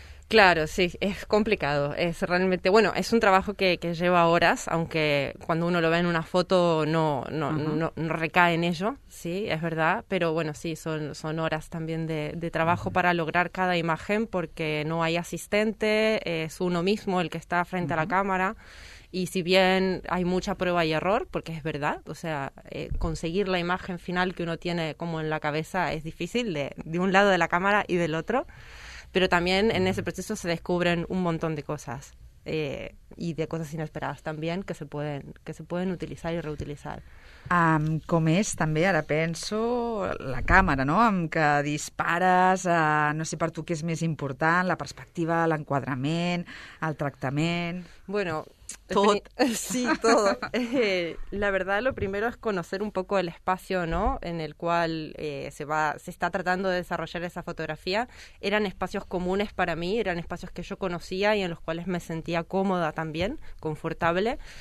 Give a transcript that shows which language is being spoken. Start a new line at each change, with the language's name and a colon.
Spanish: Claro, sí, es complicado, es realmente, bueno, es un trabajo que lleva horas, aunque cuando uno lo ve en una foto no recae en ello, sí, es verdad, pero bueno, sí, son horas también de trabajo para lograr cada imagen porque no hay asistente, es uno mismo el que está frente a la cámara y si bien hay mucha prueba y error, porque es verdad, o sea, conseguir la imagen final que uno tiene como en la cabeza es difícil de un lado de la cámara y del otro. Pero también en ese proceso se descubren un montón de cosas y de cosas inesperadas también que se pueden utilizar y reutilizar.
Catalan: Com és, també, ara penso, la càmera, no?, amb què dispares, no sé per tu què és més important, la perspectiva, l'enquadrament, el tractament...
Spanish: Bueno, Sí, todo. La verdad, lo primero es conocer un poco el espacio, ¿no?, en el cual se está tratando de desarrollar esa fotografía. Eran espacios comunes para mí, eran espacios que yo conocía y en los cuales me sentía cómoda también, confortable.